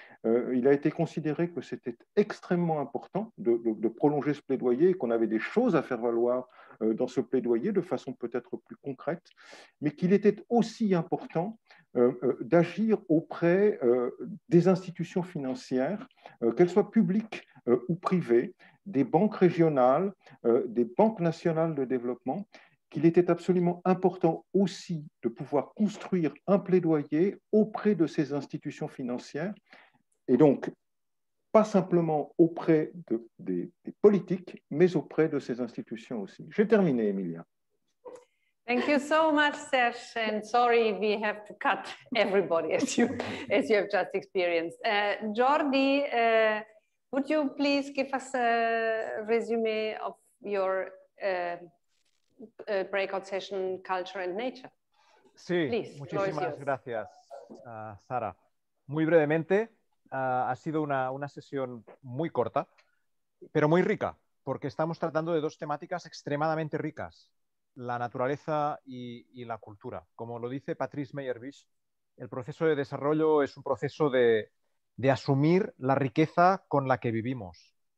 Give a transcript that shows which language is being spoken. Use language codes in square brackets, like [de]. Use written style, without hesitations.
[fr] Il a été considéré que c'était extrêmement important de prolonger ce plaidoyer et qu'on avait des choses à faire valoir dans ce plaidoyer de façon peut-être plus concrète, mais qu'il était aussi important d'agir auprès des institutions financières, qu'elles soient publiques ou privées, des banques régionales, des banques nationales de développement, qu'il était absolument important aussi de pouvoir construire un plaidoyer auprès de ces institutions financières. Et donc, pas simplement auprès des politiques, mais auprès de ces institutions aussi. J'ai terminé, Emilia. [en] Thank you so much, Serge. And sorry, we have to cut everybody as you have just experienced. Jordi, would you please give us a resume of your breakout session, Culture and Nature? [es] Sí, please, muchísimas gracias, Sara. Muy brevemente. Ha sido una sesión muy corta, pero muy rica, porque estamos tratando de dos temáticas extremadamente ricas, la naturaleza y la cultura. Como lo dice Patrice Meyerbeer, el proceso de desarrollo es un proceso de asumir la riqueza con la que vivimos.